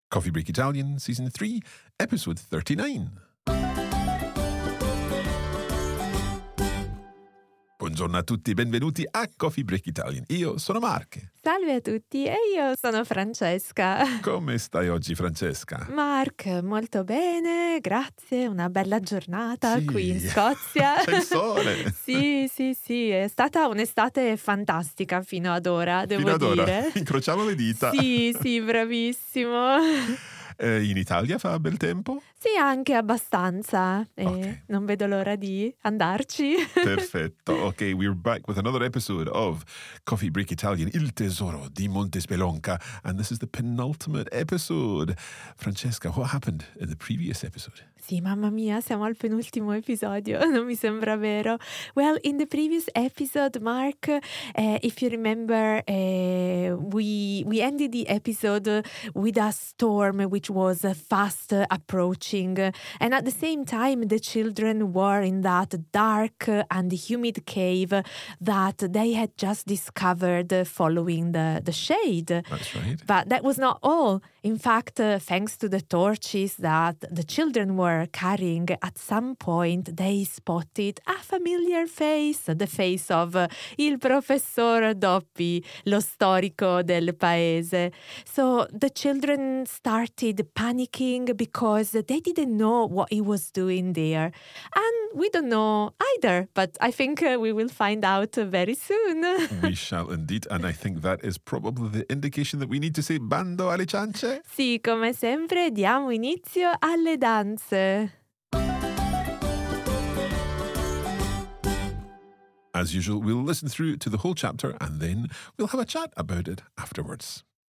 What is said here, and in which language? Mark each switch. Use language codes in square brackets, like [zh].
[en] Coffee Break Italian, Season 3, Episode 39. [it] Buongiorno a tutti, benvenuti a Coffee Break Italian. Io sono Marco. Salve a tutti, e io sono Francesca. Come stai oggi, Francesca? Mark, molto bene, grazie, una bella giornata sì. Qui in Scozia. C'è il sole! Sì, è stata un'estate fantastica fino ad ora, devo fino ad dire. Ora. Incrociamo le dita. Sì, bravissimo. In Italia fa bel tempo? Sì, anche abbastanza. Non vedo l'ora di andarci. Perfetto. [en] Ok, we're back with another episode of Coffee Break Italian, il tesoro di Monte Spelonca. And this is the penultimate episode. Francesca, what happened in the previous episode? [it] Sì, mamma mia, siamo al penultimo episodio, non mi sembra vero. [en] Well, in the previous episode, Mark, if you remember, we ended the episode with a storm which was fast approaching. And at the same time, the children were in that dark and humid cave that they had just discovered following the shade. That's right. But that was not all. In fact, thanks to the torches that the children were carrying, at some point they spotted a familiar face, the face of [it] il professor Doppi, lo storico del paese. [en] So the children started panicking because they didn't know what he was doing there. And we don't know either, but I think we will find out very soon. We shall indeed, and I think that is probably the indication that we need to say [it] bando alle ciance. Sì, come sempre, diamo inizio alle danze. [en] As usual, we'll listen through to the whole chapter and then we'll have a chat about it afterwards.